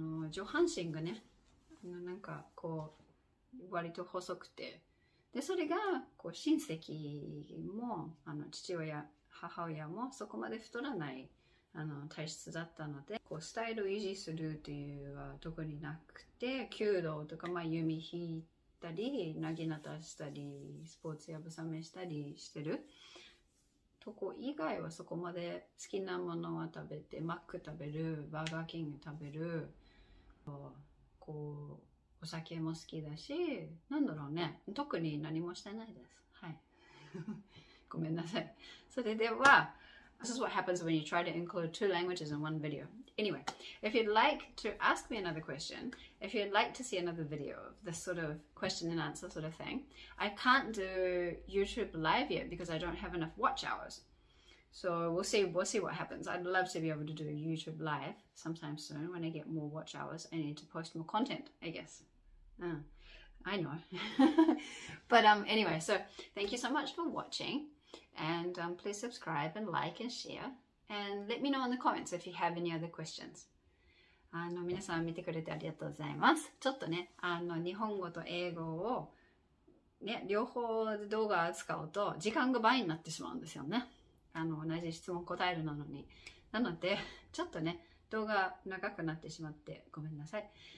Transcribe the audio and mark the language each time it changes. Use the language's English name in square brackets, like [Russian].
[Japanese] 上半身がね、なんかこう割と細くて、でそれがこう親戚も父親母親もそこまで太らない体質だったので、こうスタイルを維持するというのは特になくて、弓道とか、弓引いたり薙刀したりスポーツやぶさめしたりしてるとこ以外はそこまで、好きなものは食べて、マック食べる、バーガーキング食べる、こうお酒も好きだし、なんだろうね、特に何もしてないです、はい。ごめんなさい。それでは、 [English] This is what happens when you try to include two languages in one video. Anyway, if you'd like to ask me another question, if you'd like to see another video of this sort of question and answer sort of thing, I can't do YouTube live yet because I don't have enough watch hours. So we'll see what happens. I'd love to be able to do YouTube live sometime soon when I get more watch hours. I need to post more content, I guess. I know. But anyway, so thank you so much for watching. And please subscribe and like and share. And let me know in the comments if you have any other questions. [Japanese] 皆さん見てくれてありがとうございます。ちょっとね、日本語と英語を、ね、両方動画を使うと時間が倍になってしまうんですよね。同じ質問答えるなのに。なので、ちょっとね、動画長くなってしまってごめんなさい。